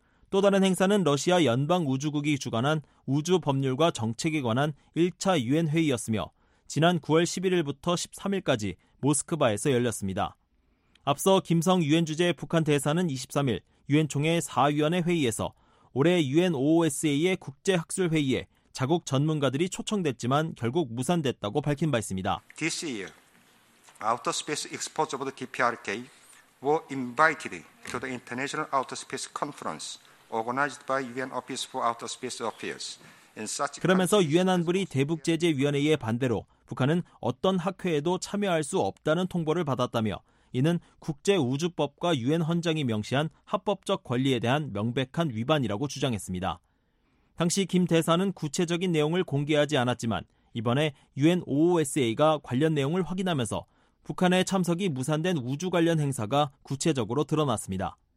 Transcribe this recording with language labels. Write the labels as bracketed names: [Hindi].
[Korean] 또 다른 행사는 러시아 연방우주국이 주관한 우주법률과 정책에 관한 1차 유엔 회의였으며 지난 9월 11일부터 13일까지 모스크바에서 열렸습니다. 앞서 김성 유엔 주재 북한 대사는 23일 유엔총회 4위원회 회의에서 올해 UNOOSA의 국제학술회의에 자국 전문가들이 초청됐지만 결국 무산됐다고 밝힌 바 있습니다. [English] This year, Outer Space Exports of the DPRK were invited to the International Outer Space Conference organized by UN Office for Outer Space Affairs. [Korean] 그러면서 유엔 안보리 대북 제재 위원회의 반대로 북한은 어떤 학회에도 참여할 수 없다는 통보를 받았다며 이는 국제 우주법과 유엔 헌장이 명시한 합법적 권리에 대한 명백한 위반이라고 주장했습니다. 당시 김 대사는 구체적인 내용을 공개하지 않았지만 이번에 UNOOSA가 관련 내용을 확인하면서 북한의 참석이 무산된 우주 관련 행사가 구체적으로 드러났습니다.